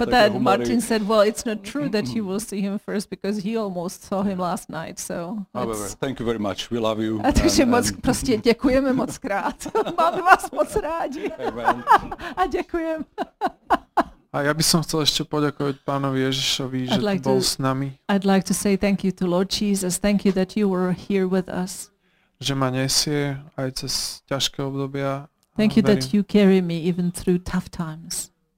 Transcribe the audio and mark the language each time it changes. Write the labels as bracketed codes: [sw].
[en] But then Martin said, well, it's not true that you will see him first, because he almost saw him last night, so... However, thank you very much, we love you. [sk] A takže moc, proste ďakujeme moc krát. Máme vás moc rádi. A ďakujem. A ja by som chcel ešte poďakovať pánovi Ježišovi, že like bol s nami. [en] I'd like to say thank you to Lord Jesus, thank you that you were here with us. [sk] Že ma nesie aj cez ťažké obdobia. [en] Thank you that you carry me even through tough times.